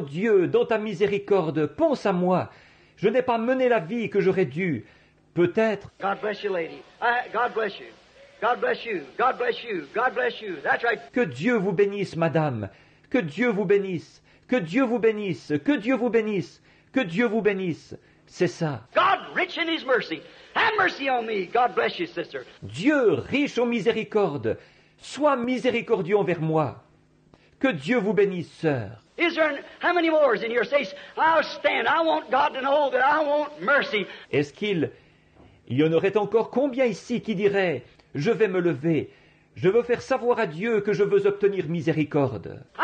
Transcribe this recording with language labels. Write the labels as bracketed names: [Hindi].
[French] Dieu, dans ta miséricorde, pense à moi. Je n'ai pas mené la vie que j'aurais dû. Peut-être... [English] God bless you, lady. God bless you. God bless you. God bless you. God bless you. That's right. [French] Que Dieu vous bénisse, madame. Que Dieu vous bénisse. Que Dieu vous bénisse, que Dieu vous bénisse, que Dieu vous bénisse, c'est ça. [English] God rich in His mercy, have mercy on me. God bless you, sister. [French] Dieu riche en miséricorde, sois miséricordieux envers moi. Que Dieu vous bénisse, sœur. [English] Is there how many more is in your space? I'll stand. I want God to know that I want mercy. [French] Est-ce qu'il y en aurait encore combien ici qui dirait, je vais me lever? Je veux faire savoir à Dieu que je veux obtenir miséricorde.